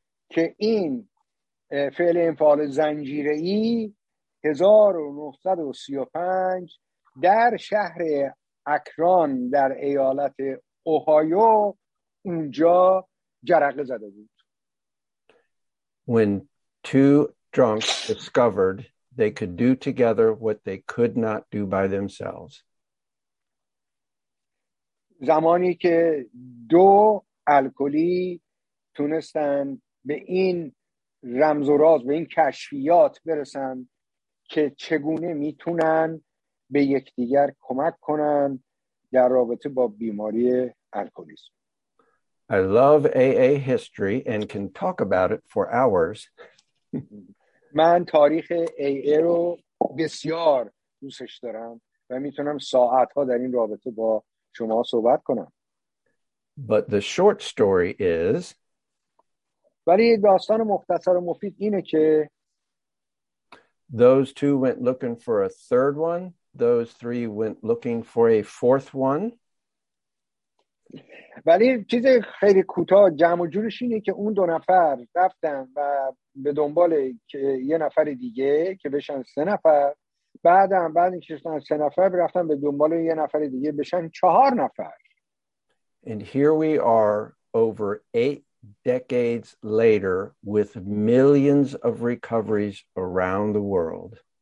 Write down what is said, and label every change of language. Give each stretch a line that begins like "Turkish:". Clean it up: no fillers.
Persian: که این فعل انفعال زنجیره‌ای 1935 در شهر اکران در ایالت اوهایو اونجا جرقه زده بود.
English: When two drunks discovered they could do together what they could not do by themselves.
Persian: زمانی که دو الکلی تونستن به این رمز و راز به این کشفیات برسن که چگونه میتونن به یکدیگر کمک کنن در رابطه با بیماری الکلیسم.
English: I love AA history and can talk about it for hours.
Persian: من تاریخ AA رو بسیار دوستش دارم و میتونم ساعت‌ها در این رابطه با شما صحبت کنم.
English: But the short story is
Persian: ولی داستان مختصر و مفید اینه که
English: those two went looking for a third one, those three went looking for a fourth one.
Persian: ولی چیز خیلی کوتاه جمع و جورش اینه که اون دو نفر رفتن و به دنبال یه نفر دیگه که بشن سه نفر بعد این کشتن سه نفر رفتن به دنبال یه نفر دیگه بشن چهار نفر.
English: And here we are over eight decades later with millions of recoveries around the world.